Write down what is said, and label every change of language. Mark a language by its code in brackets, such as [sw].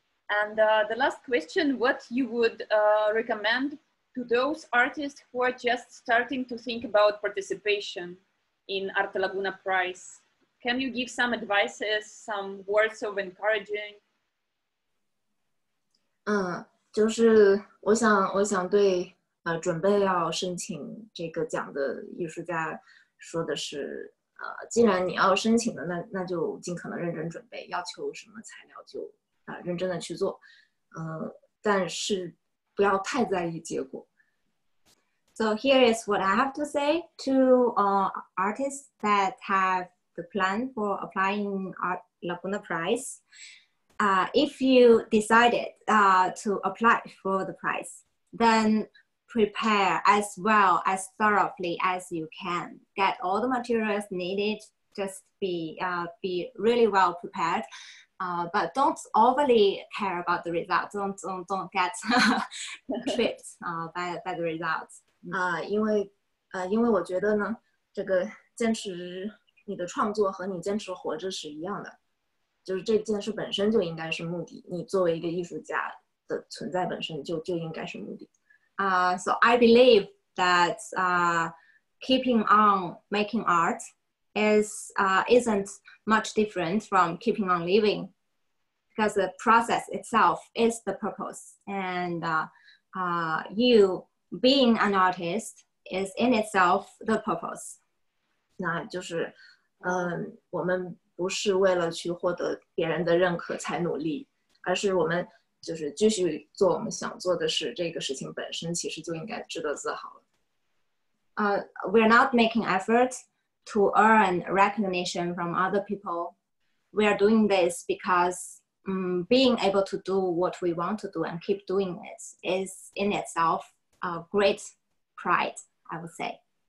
[en] And the last question, what you would recommend to those artists who are just starting to think about participation in Arte Laguna Prize? Can you give some advices, some words of encouraging? [zh] 就是我想对准备要申请这个奖的艺术家说的是，既然你要申请的，那就尽可能认真准备，要求什么材料就认真的去做，但是不要太在意结果。 [en] So here is what I have to say to artists that have the plan for applying Art Laguna Prize. If you decided to apply for the prize, then prepare as well, as thoroughly as you can. Get all the materials needed, just be really well prepared. But don't overly care about the results. Don't get tripped by the results. [zh] 因为我觉得呢，这个坚持你的创作和你坚持活着是一样的，就是这件事本身就应该是目的。你作为一个艺术家的存在本身就应该是目的。 [en] So I believe that keeping on making art isn't much different from keeping on living, because the process itself is the purpose, and you being an artist is in itself the purpose. [zh] 那就是，我们不是为了去获得别人的认可才努力，而是我们就是继续做我们想做的事，这个事情本身其实就应该值得自豪。 [en] We're not making effort to earn recognition from other people. We are doing this because being able to do what we want to do and keep doing it is in itself a great pride, I would say.